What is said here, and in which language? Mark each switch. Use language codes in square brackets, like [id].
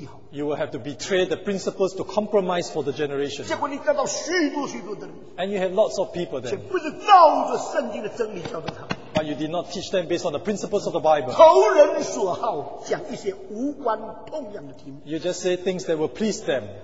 [en] you will have to betray the principles to compromise for the generation. [zh] 结果你得到许多许多的人, [en] and you have lots of people then. [zh] 却不是照着圣经的真理教导他, [en] but you did not teach them based on the principles of the Bible. [zh] 投人所好, 讲一些无关痛痒的题目, [en] you just say things that will please them.